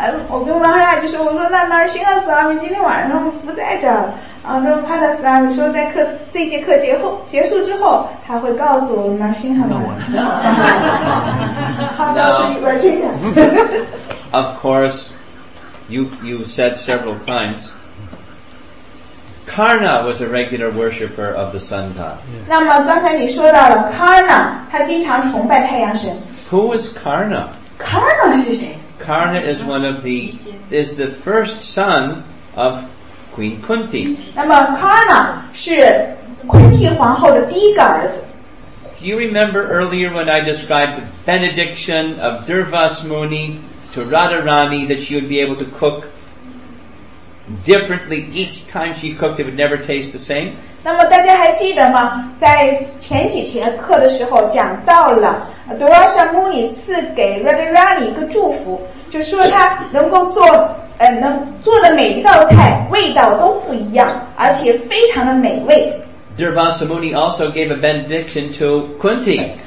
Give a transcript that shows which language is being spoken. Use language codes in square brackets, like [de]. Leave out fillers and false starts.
[zh] 我跟马哈拉就说，我说那那辛克斯阿米今天晚上不在这儿，啊，那帕达斯阿米说在课这节课结后结束之后，他会告诉我们辛克斯。那我。好的，我这样。 [en] Of course, you said several times, Karna was a regular worshipper of the sun god. [zh] 那么刚才你说到了 Karna， 他经常崇拜太阳神。 [en] Who was Karna? [zh] Karna 是谁？ [en] Karna is one of the is the first son of Queen Kunti. [zh] 那么 Karna 是 Kunti 皇后的第一个儿子。 [en] Do you remember earlier when I described the benediction of Durvasmuni to Radharani that she would be able to cook differently each time she cooked, it would never taste the same? [zh] 那么大家还记得吗？在前几天课的时候讲到了。 Durvasmuni 赐给 Radharani 一个祝福，就说他能够做，能做的每一道菜味道都不一样，而且非常的美味。 [en] Durvasmuni also gave a benediction to Kunti.